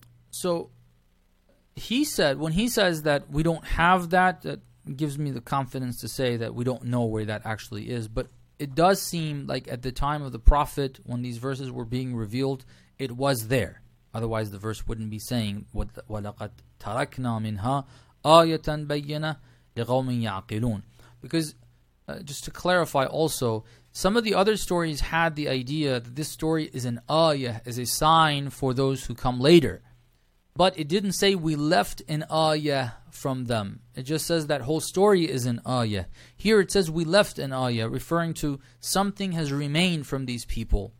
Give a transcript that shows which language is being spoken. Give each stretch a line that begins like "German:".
English: So he said, when he says that we don't have that, that gives me the confidence to say that we don't know where that actually is. But it does seem like at the time of the Prophet, when these verses were being revealed, it was there. Otherwise, the verse wouldn't be saying,
Arabic: وَلَقَدْ تَرَكْنَا مِنْهَا آيَةً بَيِّنَةً لِقَوْمٍ يَعْقِلُونَ.
English: Because, just to clarify also, some of the other stories had the idea that this story is an ayah, is a sign for those who come later. But it didn't say we left an ayah from them. It just says that whole story is an ayah. Here it says we left an ayah, referring to something has remained from these people.